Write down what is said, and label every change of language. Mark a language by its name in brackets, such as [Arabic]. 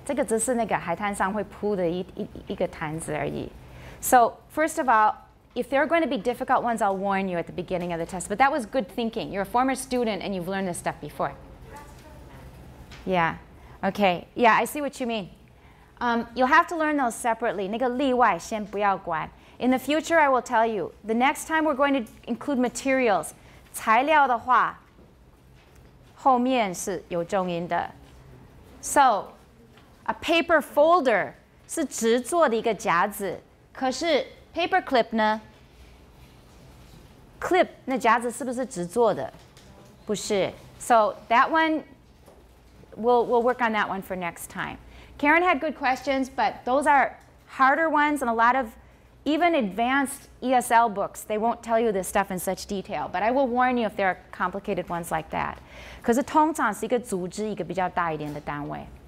[Chinese] 这个只是那个海滩上会铺的一个毯子而已. [English] So, first of all, if there are going to be difficult ones, I'll warn you at the beginning of the test. But that was good thinking. You're a former student and you've learned this stuff before. Yeah. Okay. Yeah, I see what you mean. You'll have to learn those separately. [Chinese] 那个例外先不要管. [English] In the future, I will tell you. The next time we're going to include materials, [Chinese] 材料的话, 后面是有重音的. [English] So, a paper folder [Chinese] 是直做的一个夹子. 可是 paperclip 呢?Clip, 那夹子是不是直做的?不是. [English] So that one, we'll work on that one for next time. Karen had good questions, but those are harder ones, and a lot of even advanced ESL books, they won't tell you this stuff in such detail. But I will warn you if there are complicated ones like that. [Chinese] 可是通常是一个组织,一个比较大一点的单位.